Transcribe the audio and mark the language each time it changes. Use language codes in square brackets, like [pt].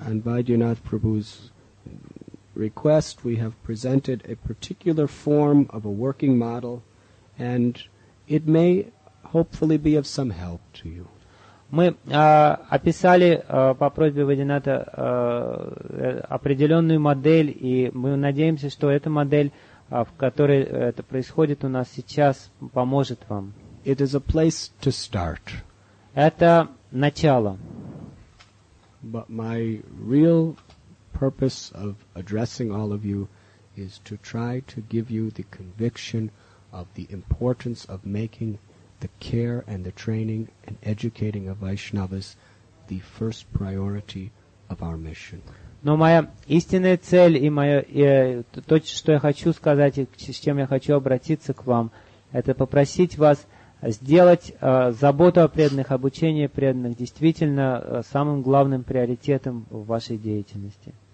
[en] And by Dinath Prabhu's request, we have presented a particular form of a working model, and it may hopefully be of some help to you. [ru] Мы описали по просьбе Вадината определенную модель, и мы надеемся, что эта модель, в которой это происходит у нас сейчас, поможет вам. [en] It is a place to start. [ru] Это начало. [en] But my real purpose of addressing all of you is to try to give you the conviction of the importance of making the care and the training and educating of Vaishnavas the first priority of our mission. [ru] Но моя истинная цель и моё то, что я хочу сказать и с чем я хочу обратиться к вам, это попросить вас сделать заботу о преданных, обучение преданных действительно самым главным приоритетом в вашей деятельности.